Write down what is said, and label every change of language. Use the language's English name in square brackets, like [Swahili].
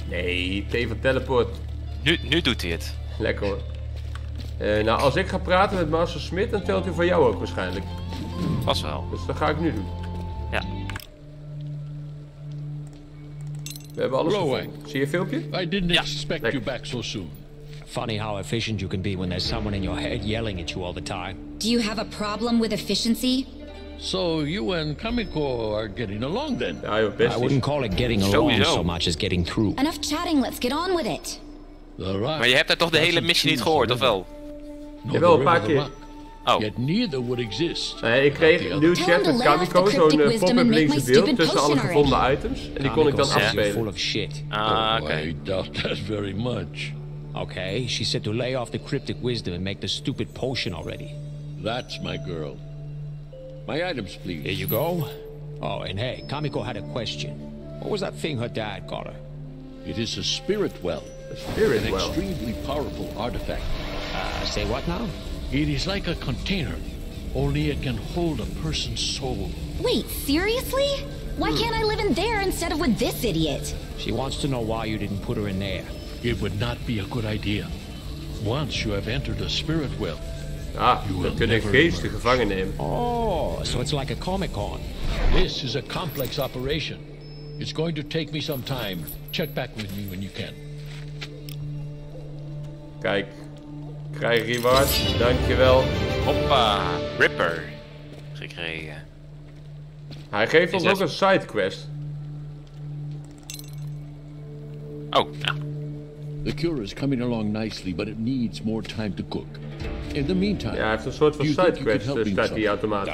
[Dutch] Nee, T van teleport. Nu doet hij het. Lekker hoor. Nou, als ik ga praten met Master Smith, dan telt hij voor jou ook waarschijnlijk. Pas wel. Dus dat ga ik nu doen. Ja. We hebben alles gevonden. Zie je een filmpje? [English] I didn't expect you back so soon. Funny how efficient you can be when there's someone in your head yelling at you all the time. Do you have a problem with efficiency? So you and Kamiko are getting along then? I wouldn't call it getting along so much as getting through. Enough chatting, let's get on with it. All right. [Dutch] Maar je hebt daar toch de hele missie niet gehoord, of wel? Jawel, een paar keer. Oh. [English] Yet neither would exist. [Dutch] Ik kreeg een nieuw chat met Kamiko, zo'n pop-up linkse beeld tussen alle gevonden items. En die kon ik dan afspelen. Ah, oké. [English] I doubt that very much. Okay, she said to lay off the cryptic wisdom and make the stupid potion already. That's my girl. My items, please. Here you go. Oh, and hey, Kamiko had a question. What was that thing her dad got her? It is a spirit well. A spirit an well? An extremely powerful artifact. Say what now? It is like a container, only it can hold a person's soul. Wait, seriously? Why can't I live in there instead of with this idiot? She wants to know why you didn't put her in there. It would not be a good idea. Once you have entered a spirit well, you will emerge. Ah, [Dutch] dan kunnen geesten gevangen nemen. [English] Oh, so it's like a Comic-Con. This is a complex operation. It's going to take me some time. Check back with me when you can. [Dutch] Kijk. Krijg reward. Dankjewel. Hoppa. Ripper. Gekregen. Hij geeft ons ook een sidequest. Oh, nou. [English] The cure is coming along nicely, but it needs more time to cook. In the meantime, [Dutch] ja, hij heeft een soort van side quest, dus staat die automatisch.